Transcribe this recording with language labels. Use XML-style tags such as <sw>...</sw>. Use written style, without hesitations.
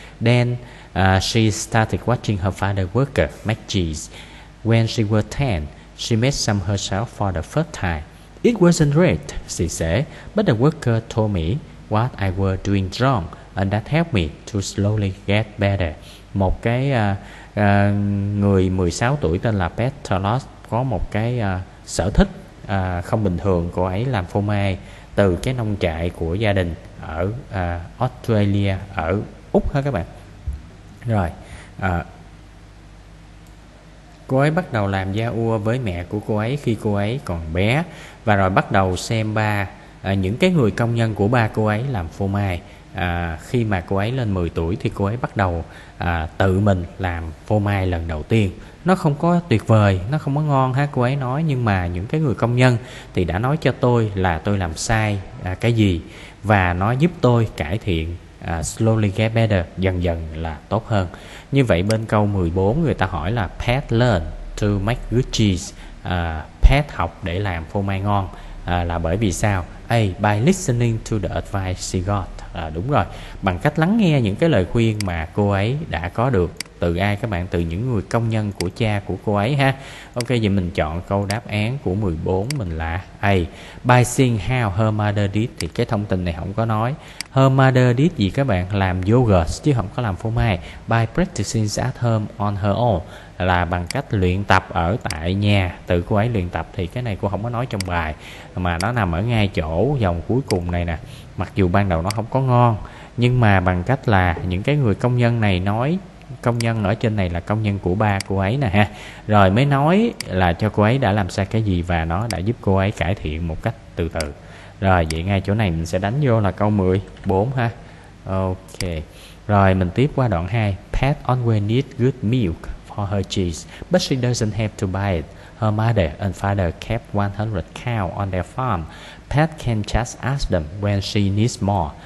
<en>Then she started watching her father work make cheese. When she was 10, she made some herself for the first time. It wasn't great, she said, but the worker told me what I was doing wrong, and that helped me to slowly get better.</en> <vi>Một cái người 16 tuổi tên là Petalos có một cái sở thích không bình thường. Cô ấy làm phô mai từ cái nông trại của gia đình ở Australia, ở Úc ha các bạn. Rồi, cô ấy bắt đầu làm gia ua với mẹ của cô ấy khi cô ấy còn bé. Và rồi bắt đầu xem ba, những cái người công nhân của ba cô ấy làm phô mai. Khi mà cô ấy lên 10 tuổi thì cô ấy bắt đầu tự mình làm phô mai lần đầu tiên. Nó không có tuyệt vời, nó không có ngon ha cô ấy nói. Nhưng mà những cái người công nhân thì đã nói cho tôi là tôi làm sai cái gì. Và nó giúp tôi cải thiện,</vi> <en>slowly get better,</en> <vi>dần dần là tốt hơn. Như vậy bên câu 14 người ta hỏi là</vi> <en>Pat learn to make good cheese.</en> <vi>Pat học để làm phô mai ngon là bởi vì sao?</vi> <en>A, by listening to the advice she got.</en> <vi>Đúng rồi, bằng cách lắng nghe những cái lời khuyên mà cô ấy đã có được từ ai các bạn? Từ những người công nhân của cha của cô ấy ha. Ok, vậy mình chọn câu đáp án của 14 mình là A,</vi> <en>by seeing how her mother did.</en> <vi>Thì cái thông tin này không có nói</vi> <en>her mother did</en> <vi>gì các bạn, làm yogurt chứ không có làm phô mai.</vi> <en>By practicing at home on her own</en> <vi>là bằng cách luyện tập ở tại nhà, tự cô ấy luyện tập. Thì cái này cô không có nói trong bài mà nó nằm ở ngay chỗ dòng cuối cùng này nè. Mặc dù ban đầu nó không có ngon, nhưng mà bằng cách là những cái người công nhân này nói, công nhân ở trên này là công nhân của ba cô ấy nè ha, rồi mới nói là cho cô ấy đã làm sai cái gì và nó đã giúp cô ấy cải thiện một cách từ từ. Rồi vậy ngay chỗ này mình sẽ đánh vô là câu 14 ha. Ok, rồi mình tiếp qua đoạn 2.</vi> <en>Pat always needs good milk for her cheese, but she doesn't have to buy it. Her mother and father kept 100 cows on their farm. Pat can just ask them when she needs more.</en>